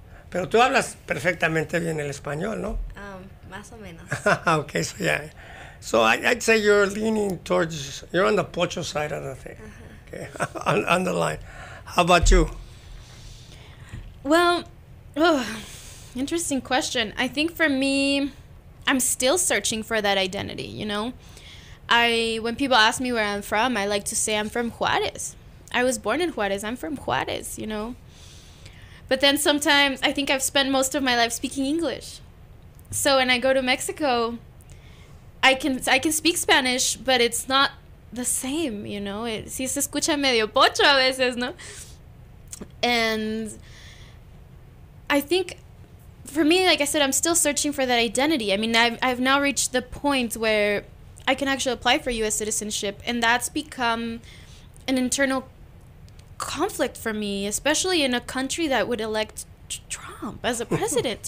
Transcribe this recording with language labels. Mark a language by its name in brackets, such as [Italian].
[Spanish] Pero tú hablas perfectamente bien el español, ¿no? Más o menos. [English] Okay, so yeah. So I'd say you're leaning towards, you're on the Pocho side of the thing. Uh-huh. Okay, on the line. How about you? Well, interesting question. I think for me, I'm still searching for that identity, you know? When people ask me where I'm from, I like to say I'm from Juarez. I was born in Juarez. I'm from Juarez, you know. But then sometimes, I think I've spent most of my life speaking English. So when I go to Mexico, I can speak Spanish, but it's not the same, you know. [Spanish] Si se escucha medio pocho a veces, ¿no? [English] And I think, for me, like I said, I'm still searching for that identity. I mean, I've now reached the point where I can actually apply for U.S. citizenship, and that's become an internal conflict for me, especially in a country that would elect Trump as a president.